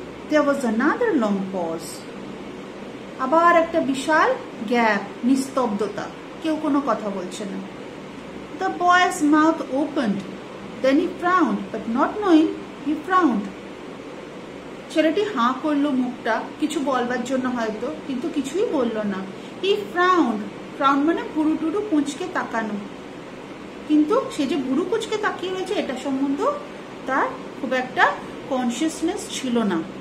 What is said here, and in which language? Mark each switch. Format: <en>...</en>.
<en>There was another long pause.</en> <bn>আবার একটা বিশাল gap, নিস্তব্ধতা, কেউ কোনো কথা বলছে না।</bn> <en>The boy's mouth opened. Then he frowned, but not knowing, he frowned.</en> <bn>ছেলেটি হাঁ করলো মুখটা, কিছু বলবার জন্য হয়তো, কিন্তু কিছুই বললো না।</bn> <en>he frowned,</en> <bn>ফ্রাউন্ড মানে ভুরু টুরু কুঁচকে তাকানো, কিন্তু সে যে ভুরু কুঁচকে তাকিয়ে রয়েছে এটা সম্বন্ধে তার খুব একটা কনসিয়াসনেস ছিল না।</bn>